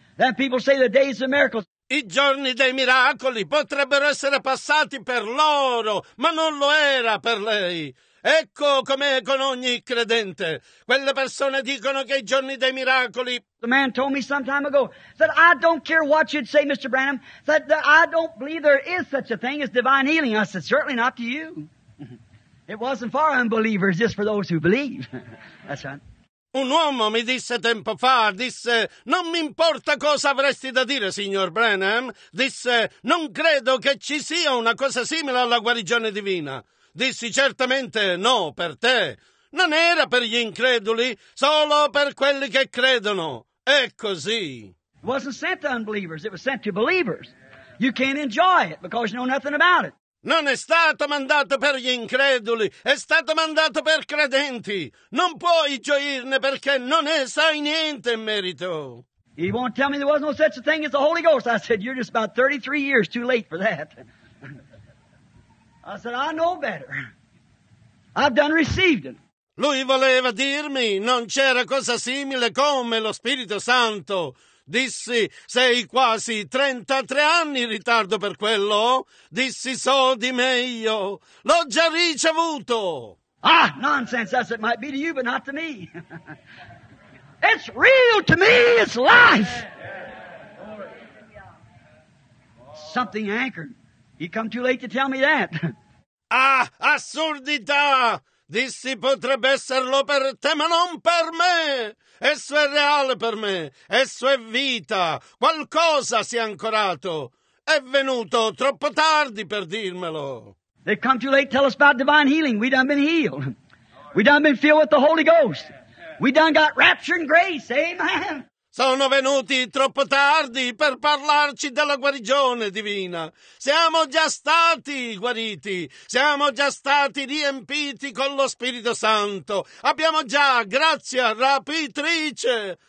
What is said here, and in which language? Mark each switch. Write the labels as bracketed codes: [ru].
[en] That people say the days of miracles... [it] I giorni dei miracoli potrebbero essere passati per loro, ma non lo era per lei. Ecco com'è con ogni credente. Quelle persone dicono che i giorni dei miracoli... [en] The man told me some time ago, that I don't care what you'd say, Mr. Branham, that I don't believe there is such a thing as divine healing. I said, certainly not to you. It wasn't for unbelievers, just for those who believe. That's right. [it] Un uomo mi disse tempo fa, disse, non mi importa cosa avresti da dire, signor Branham, disse, non credo che ci sia una cosa simile alla guarigione divina. Dissi, certamente no, per te. Non era per gli increduli, solo per quelli che credono. È così. [en] It wasn't sent to unbelievers, it was sent to believers. You can't enjoy it because you know nothing about it. [it] Non è stato mandato per gli increduli, è stato mandato per credenti. Non puoi gioirne perché non ne sai niente in merito. [en] He won't tell me there was no such a thing as the Holy Ghost. I said, you're just about 33 years too late for that. I said, I know better. I've done received it. [it] Lui voleva dirmi, non c'era cosa simile come lo Spirito Santo. Dissi, sei quasi 33 anni in ritardo per quello? Dissi, so di meglio. L'ho già ricevuto. [en] Ah, nonsense, as it might be to you, but not to me. It's real to me, it's life. Something anchored. You come too late to tell me that. [it] Ah, assurdità. Dissi, potrebbe esserlo per te, ma non per me. Esso è reale per me. Esso è vita. Qualcosa si è ancorato. È venuto troppo tardi per dirmelo. [en] They come too late to tell us about divine healing. We done been healed. We done been filled with the Holy Ghost. We done got rapture and grace. Amen. [it] Sono venuti troppo tardi per parlarci della guarigione divina. Siamo già stati guariti, siamo già stati riempiti con lo Spirito Santo. Abbiamo già grazia rapitrice.